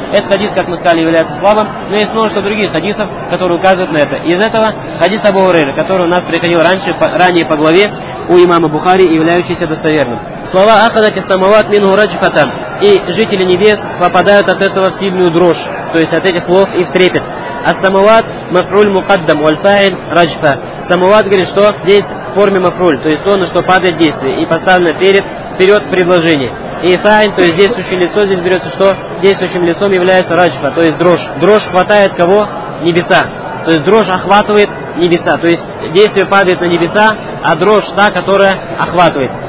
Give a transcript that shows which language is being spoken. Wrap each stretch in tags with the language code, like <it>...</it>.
<ru>Этот хадис, как мы сказали, является слабым, но есть множество других хадисов, которые указывают на это. Из этого хадис Абу Хурайры, который у нас приходил раньше, ранее по главе у имама Бухари, являющийся достоверным. Слова</ru> <ar>«Ахадати самават мингу раджфатан»</ar> <ru>и «Жители небес попадают от этого в сильную дрожь», то есть от этих слов и в трепет.</ru> <ar>السموات مفعول مقدم والفاعل رجفة.</ar> <ru>سموات говорит, что здесь в форме مفعول, то есть то, на что падает действие и поставлено вперед предложение. И фаин, то есть действующее лицо, здесь берется, что действующим лицом является раджфа, то есть дрожь. Дрожь хватает кого? Небеса. То есть дрожь охватывает небеса. То есть действие падает на небеса, а дрожь та, которая охватывает.</ru>